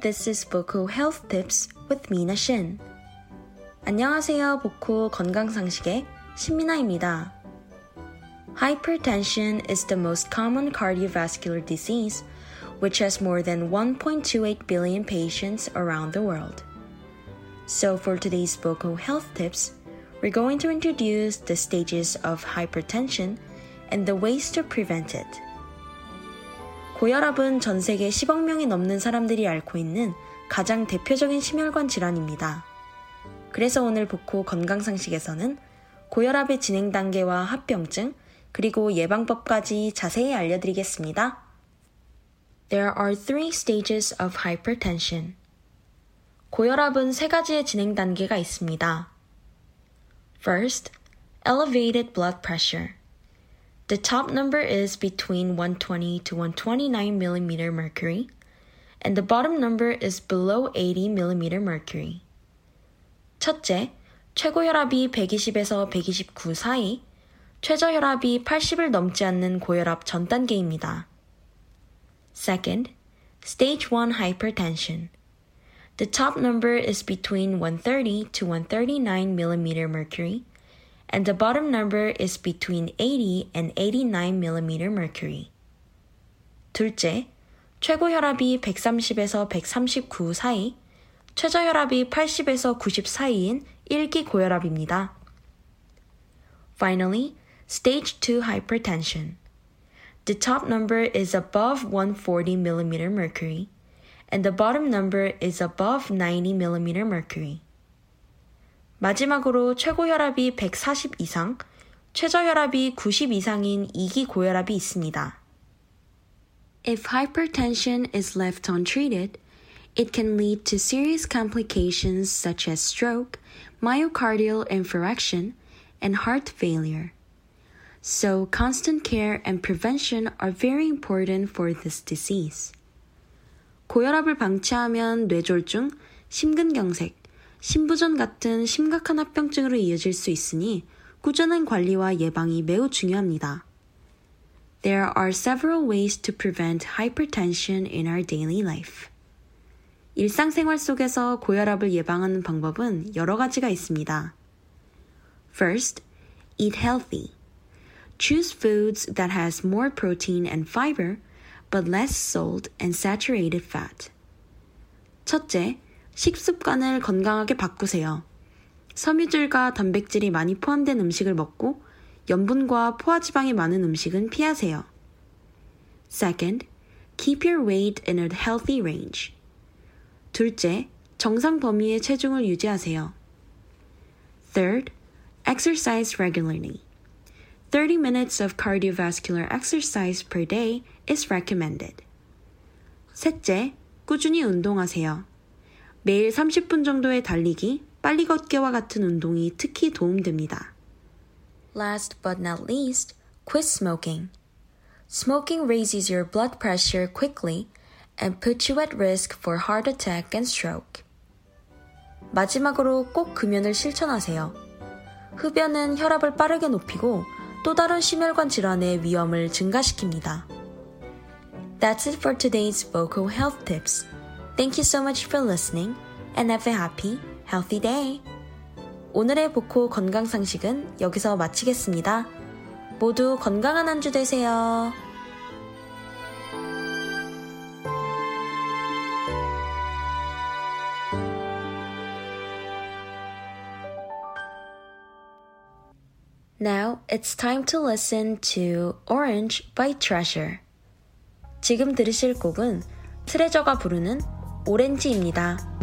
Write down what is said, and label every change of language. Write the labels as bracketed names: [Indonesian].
[English] This is Boku Health Tips with Mina Shin. [Korean] 안녕하세요. 보쿠 건강 상식의 신미나입니다. [English] Hypertension is the most common cardiovascular disease, which has more than 1.28 billion patients around the world. So for today's Boku Health Tips, we're going to introduce the stages of hypertension and the ways to prevent it. [Korean] 고혈압은 전 세계 10억 명이 넘는 사람들이 앓고 있는 가장 대표적인 심혈관 질환입니다. 그래서 오늘 복후 건강상식에서는 고혈압의 진행 단계와 합병증, 그리고 예방법까지 자세히 알려드리겠습니다. [English] There are three stages of hypertension. [Korean] 고혈압은 세 가지의 진행 단계가 있습니다. [English] First, elevated blood pressure. The top number is between 120 to 129 millimeter mercury, and the bottom number is below 80 millimeter mercury. [Korean] 첫째, 최고혈압이 120에서 129 사이, 최저혈압이 80을 넘지 않는 고혈압 전 단계입니다. [English] Second, stage 1 hypertension. The top number is between 130 to 139 millimeter mercury, and the bottom number is between 80 and 89 millimeter mercury. [Korean] 둘째, 최고혈압이 130에서 139 사이, 최저혈압이 80에서 90 사이인 1기 고혈압입니다. [English] Finally, stage 2 hypertension. The top number is above 140 millimeter mercury, and the bottom number is above 90 millimeter mercury. [Korean] 마지막으로 최고혈압이 140 이상, 최저혈압이 90 이상인 2기 고혈압이 있습니다. [English] If hypertension is left untreated, it can lead to serious complications such as stroke, myocardial infarction, and heart failure. So constant care and prevention are very important for this disease. [Korean] 고혈압을 방치하면 뇌졸중, 심근경색, 심부전 같은 심각한 합병증으로 이어질 수 있으니 꾸준한 관리와 예방이 매우 중요합니다. [English] There are several ways to prevent hypertension in our daily life. [Korean] 일상생활 속에서 고혈압을 예방하는 방법은 여러 가지가 있습니다. [English] First, eat healthy. Choose foods that has more protein and fiber, but less salt and saturated fat. [Korean] 첫째, 식습관을 건강하게 바꾸세요. 섬유질과 단백질이 많이 포함된 음식을 먹고 염분과 포화지방이 많은 음식은 피하세요. [English] Second, keep your weight in a healthy range. [Korean] 둘째, 정상 범위의 체중을 유지하세요. [English] Third, exercise regularly. 30 minutes of cardiovascular exercise per day is recommended. [Korean] 셋째, 꾸준히 운동하세요. 매일 30분 정도의 달리기, 빨리 걷기와 같은 운동이 특히 도움됩니다. [English] Last but not least, quit smoking. Smoking raises your blood pressure quickly and puts you at risk for heart attack and stroke. [Korean] 마지막으로 꼭 금연을 실천하세요. 흡연은 혈압을 빠르게 높이고 또 다른 심혈관 질환의 위험을 증가시킵니다. [English] That's it for today's Boku Health Tips. Thank you so much for listening and have a happy, healthy day. [Korean] 오늘의 복후 건강 상식은 여기서 마치겠습니다. 모두 건강한 한 주 되세요. [English] Now it's time to listen to Orange by Treasure. [Korean] 지금 들으실 곡은 트레저가 부르는 오렌지입니다.